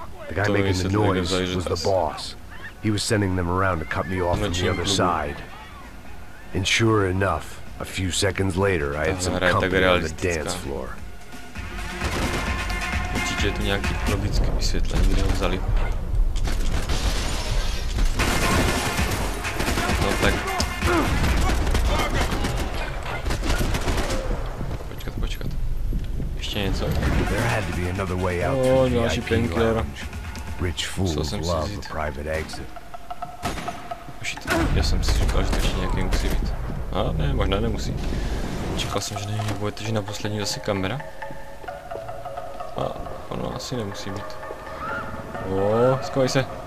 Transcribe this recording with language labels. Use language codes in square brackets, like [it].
[en] The guy making the noise was the boss. He was sending them around to cut me off from the other side. And sure enough, a few seconds later, I had some company on the dance floor. [cs] Určitě je to nějaký logický vysvětlení, kde ho vzali. No tak. [en] There had to be another way out through the IP lounge. Rich fools love a private exit. [cs] Já jsem si říkal, že to ještě nějaký musí být. A ne, možná nemusí. Čekal jsem, že nevím, bude to, že na poslední zase kamera. A ono asi nemusí být. Skovej se.